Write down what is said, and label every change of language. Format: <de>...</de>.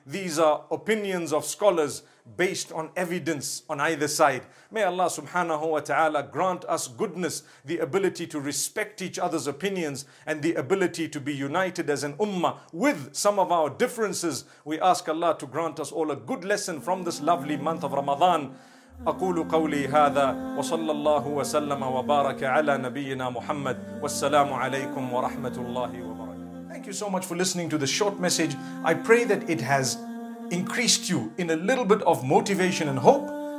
<en>These are opinions of scholars based on evidence on either side. May Allah subhanahu wa ta'ala grant us goodness, the ability to respect each other's opinions and the ability to be united as an ummah with some of our differences. We ask Allah to grant us all a good lesson from this lovely month of Ramadan.</en> <ar>أقول قولي هذا وصلى الله وسلم وبارك على نبينا محمد والسلام عليكم ورحمة الله وبركاته.</ar> <en>Thank you so much for listening to the short message. I pray that it has increased you in a little bit of motivation and hope.</en>